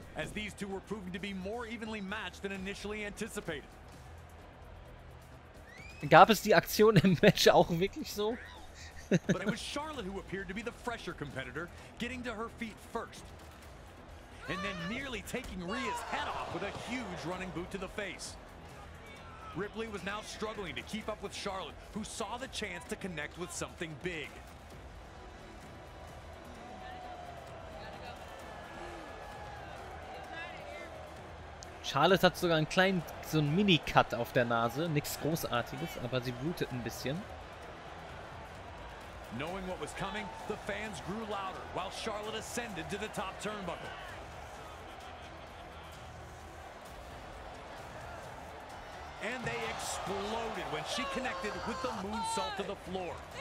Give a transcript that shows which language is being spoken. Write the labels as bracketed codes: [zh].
[en] As these two were proving to be more evenly matched than initially anticipated. [de] Gab es die Aktion im Match auch wirklich so? [en] But it was Charlotte who appeared to be the fresher competitor, getting to her feet first. And then nearly taking Rhea's head off with a huge running boot to the face. Ripley was now struggling to keep up with Charlotte, who saw the chance to connect with something big. [de] Charlotte hat sogar einen kleinen, so einen Mini-Cut auf der Nase. Nichts Großartiges, aber sie blutet ein bisschen. [en] Knowing what was coming, the fans grew louder, while Charlotte ascended to the top turnbuckle. And they exploded when she connected with the moonsault to the floor.